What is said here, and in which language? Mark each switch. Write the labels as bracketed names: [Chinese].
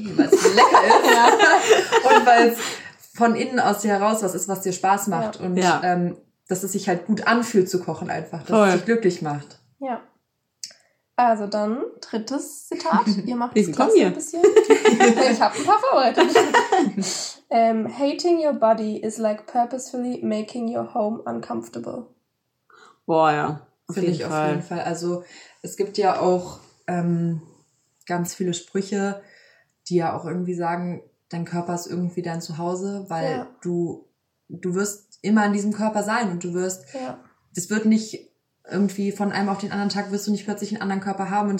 [German] Und weil es von innen aus dir heraus was ist, was dir Spaß macht. Ja. Und ja. Dass es sich halt gut anfühlt zu kochen einfach, dass Voll. Es dich glücklich macht. Ja. Also dann drittes Zitat. Ihr macht es klasse ein bisschen. Ich habe ein paar vorbereitet. [English] Hating your body is like purposefully making your home uncomfortable. [German] Boah, ja. Finde ich auf jeden Fall. Also es gibt ja auch ganz viele Sprüche, die ja auch irgendwie sagen, dein Körper ist irgendwie dein Zuhause, weil du wirst immer in diesem Körper sein und du wirst, das wird nicht irgendwie von einem auf den anderen Tag wirst du nicht plötzlich einen anderen Körper haben.